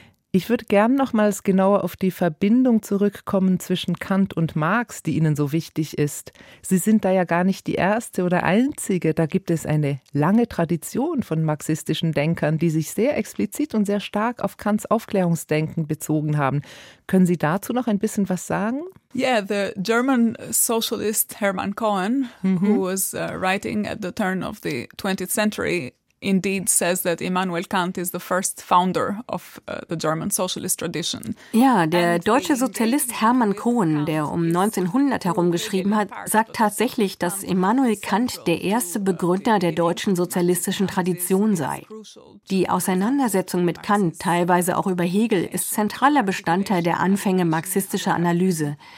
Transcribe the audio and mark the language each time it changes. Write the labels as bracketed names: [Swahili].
[German] Ich würde gern nochmals genauer auf die Verbindung zurückkommen zwischen Kant und Marx, die Ihnen so wichtig ist. Sie sind da ja gar nicht die erste oder einzige. Da gibt es eine lange Tradition von marxistischen Denkern, die sich sehr explizit und sehr stark auf Kants Aufklärungsdenken bezogen haben. Können Sie dazu noch ein bisschen was sagen? [English] Yeah, the German socialist Hermann Cohen, who was writing at the turn of the 20th century, indeed says that Immanuel Kant is the first founder of the German socialist tradition. [German] Ja, der deutsche Sozialist Hermann Cohen, der um 1900 herum geschrieben hat, sagt tatsächlich, dass Immanuel Kant der erste Begründer der deutschen sozialistischen Tradition sei. Die Auseinandersetzung mit Kant, teilweise auch über Hegel, ist zentraler Bestandteil der Anfänge marxistischer Analyse.